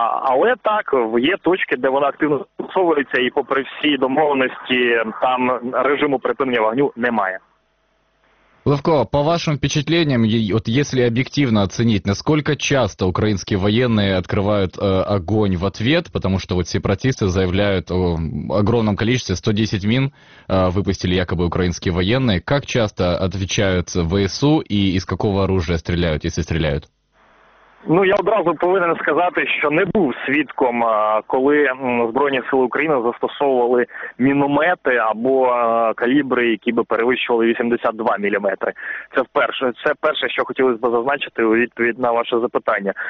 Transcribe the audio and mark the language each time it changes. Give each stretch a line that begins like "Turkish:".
Ukrainian: Але так, є точки, де вона активно застосовується, і попри всі домовленості, там режиму припинення вогню немає.
Russian: Левко, по вашим впечатлениям, вот если объективно оценить, насколько часто украинские военные открывают огонь в ответ, потому что вот сепаратисты заявляют о огромном количестве, 110 мин выпустили якобы украинские военные, как часто отвечают ВСУ и из какого оружия стреляют, если стреляют?
Ukrainian: Ну, я одразу повинен сказати, що не був свідком, коли Збройні Сили України застосовували міномети або калібри, які би перевищували 82 міліметри. Це перше, що хотілося б зазначити у відповідь на ваше запитання.